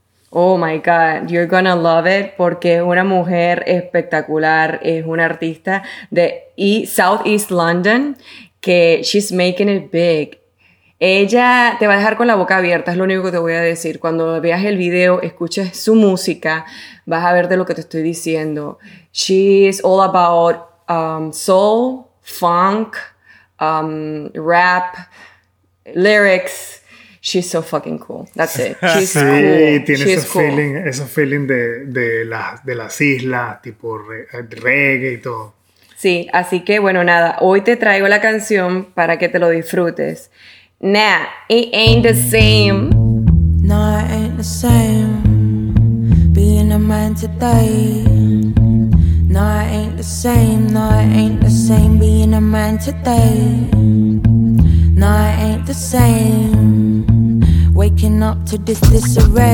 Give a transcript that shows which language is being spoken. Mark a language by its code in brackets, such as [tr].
[en] Oh my God, you're gonna love it, [es] porque es una mujer espectacular. Es una artista de Southeast London, que [en] she's making it big. [es] Ella te va a dejar con la boca abierta, es lo único que te voy a decir. Cuando veas el video, escuches su música, vas a ver de lo que te estoy diciendo. [en] She is all about soul, funk, rap, lyrics. She's so fucking cool. That's it. She's [es] sí, cool. Tiene She's ese, cool. Feeling, ese feeling de las islas, tipo reggae y todo. Sí, así que bueno, nada. Hoy te traigo la canción para que te lo disfrutes. [en] Nah, it ain't the same. No, it ain't the same being a man today. No, it ain't the same. No, it ain't the same being a man today. No, it ain't the same waking up to this disarray.